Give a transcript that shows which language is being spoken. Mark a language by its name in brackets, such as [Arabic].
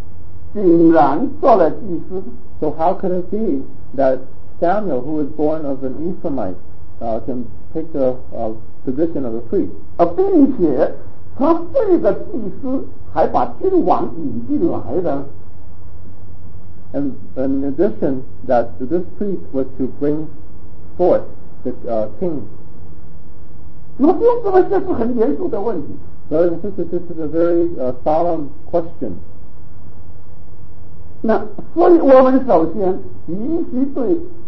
[Chinese] 那这个怎么，这个以法莲出生的撒母耳，竟然做了祭司？ [English] So how could it be that Samuel, who was born of an Ephraimite, can take the position of a priest? [Chinese] 并且他这个祭司还把君王引进来的。 [English] And in addition, that this priest was to bring forth the king. [Chinese] 那为什么这是很严肃的问题？ [English] Brothers and sisters, this is a very solemn question. [Chinese] 那所以我们首先必须对